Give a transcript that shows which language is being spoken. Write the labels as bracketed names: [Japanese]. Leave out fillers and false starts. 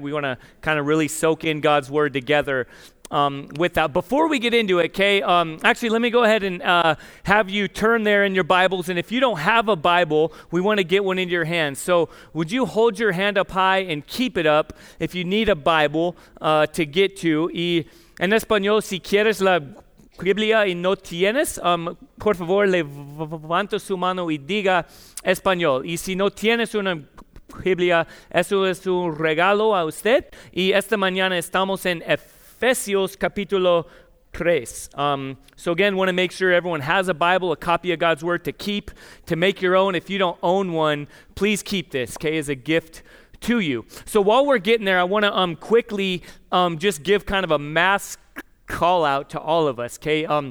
[English] We want to kind of really soak in God's word together. With that, before we get into it, okay, actually, let me go ahead and have you turn there in your Bibles. And if you don't have a Bible, we want to get one into your hands. So would you hold your hand up high and keep it up if you need a Bible to get to? [Spanish] Y en español, si quieres la Biblia y no tienes, por favor, levanta su mano y diga español. Y si no tienes una Biblia, eso es un regalo a usted. Y esta mañana estamos en Ephesians capítulo 3. [English] So again, want to make sure everyone has a Bible, a copy of God's word to keep, to make your own. If you don't own one, please keep this, okay, as a gift to you. So while we're getting there, I want to quickly just give kind of a mass call out to all of us, okay?